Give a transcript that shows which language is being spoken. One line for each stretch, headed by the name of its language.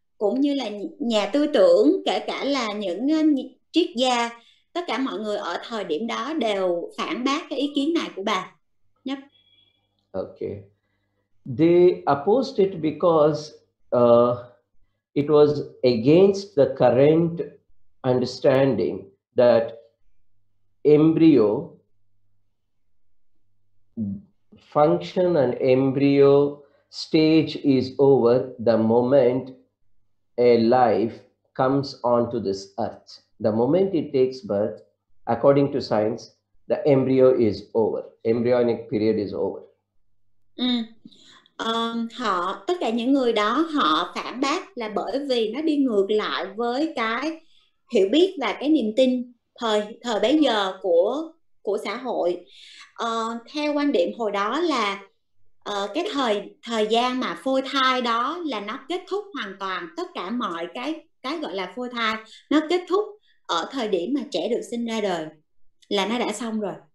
Vietnamese: cũng như là nhà tư tưởng, kể cả là những triết gia, tất cả mọi người ở thời điểm đó đều phản bác cái ý kiến này của bà. Okay.
English: They opposed it because it was against the current understanding that embryo function and embryo stage is over the moment a life comes onto this earth. The moment it takes birth, according to science, the embryo is over. Embryonic period is over.
Vietnamese: Họ tất cả những người đó họ phản bác là bởi vì nó đi ngược lại với cái hiểu biết và cái niềm tin thời thời bấy giờ của xã hội. Theo quan điểm hồi đó là cái thời thời gian mà phôi thai đó là nó kết thúc hoàn toàn, tất cả mọi cái gọi là phôi thai nó kết thúc ở thời điểm mà trẻ được sinh ra đời là nó đã xong rồi.